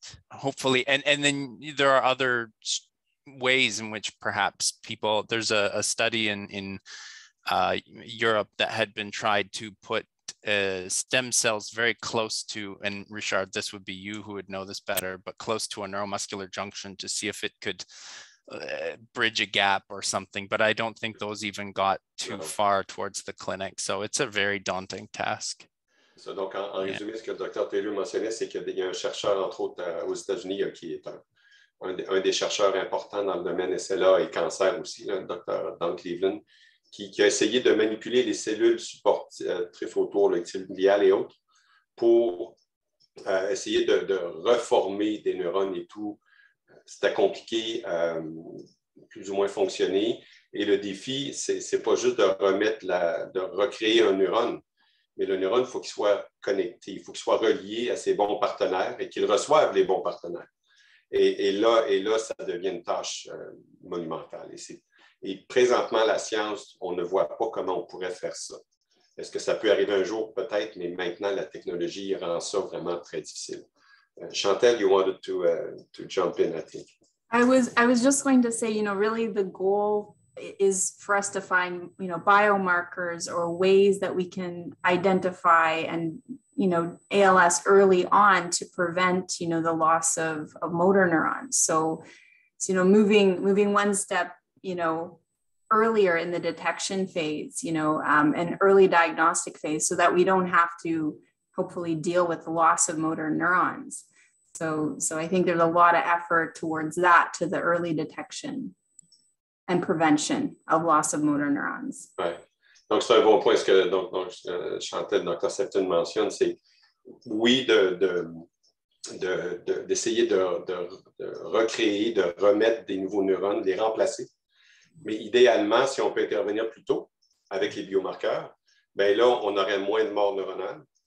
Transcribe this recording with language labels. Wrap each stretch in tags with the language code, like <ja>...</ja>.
<en>Hopefully, and then there are other ways in which perhaps people, there's a study in Europe that had been tried to put stem cells very close to, and Richard, this would be you who would know this better, but close to a neuromuscular junction to see if it could bridge a gap or something. But I don't think those even got too far towards the clinic. So it's a very daunting task.</en> <fr>So, donc, en résumé, ce que le Dr. Taylor mentionnait, c'est qu'il y a un chercheur, entre autres, aux États-Unis, qui est un des chercheurs importants dans le domaine SLA et cancer aussi, le Dr. Don Cleveland, qui a essayé de manipuler les cellules support-trèfle autour, le tibial et autres, pour essayer de reformer des neurones et tout. C'était compliqué, plus ou moins fonctionné. Et le défi, c'est pas juste de recréer un neurone, mais le neurone, il faut qu'il soit connecté, il faut qu'il soit relié à ses bons partenaires et qu'il reçoive les bons partenaires. Et là, ça devient une tâche monumentale. Et présentement, la science, on ne voit pas comment on pourrait faire ça. Est-ce que ça peut arriver un jour? Peut-être, mais maintenant, la technologie rend ça vraiment très difficile.</fr> <en>Chantal, you wanted to jump in, I think. I was just going to say, you know, really the goal is for us to find, you know, biomarkers or ways that we can identify and, you know, ALS early on to prevent, you know, the loss of motor neurons. So, you know, moving one step, you know, earlier in the detection phase, you know, an early diagnostic phase, so that we don't have to hopefully deal with the loss of motor neurons. So I think there's a lot of effort towards that, to the early detection and prevention of loss of motor neurons. Right.</en> <fr>Donc, c'est un bon point. Ce que Chantal, Dr. Sefton mentionne, c'est, oui, d'essayer de recréer, de remettre des nouveaux neurones, les remplacer. Mais idéalement, si on peut intervenir plus tôt avec les biomarqueurs, bien là, on aurait moins de morts neuronales.</fr>